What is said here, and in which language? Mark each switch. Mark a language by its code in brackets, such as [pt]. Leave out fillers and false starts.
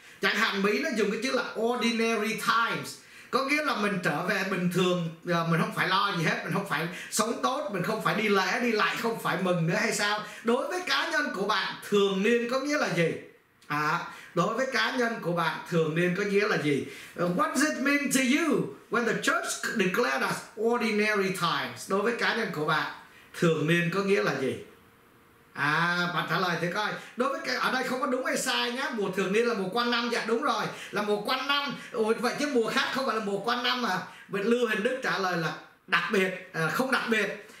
[vi] Chẳng hạn Mỹ nó dùng cái chữ là [en] ordinary times, [vi] có nghĩa là mình trở về bình thường, mình không phải lo gì hết, mình không phải sống tốt, mình không phải đi lễ, đi lại, không phải mừng nữa hay sao? Đối với cá nhân của bạn, thường niên có nghĩa là gì? Đối với cá nhân của bạn, thường niên có nghĩa là gì? [en] What does it mean to you when the church declared us ordinary times? [vi] Đối với cá nhân của bạn, thường niên có nghĩa là gì? Bạn trả lời thì coi. Đối với cái ở đây không có đúng hay sai nhé. Mùa thường niên là mùa quanh năm. Dạ đúng rồi, là mùa quanh năm. Ủa, vậy chứ mùa khác không phải là mùa quanh năm à? Bạn Lưu Hình Đức trả lời là đặc biệt, không đặc biệt.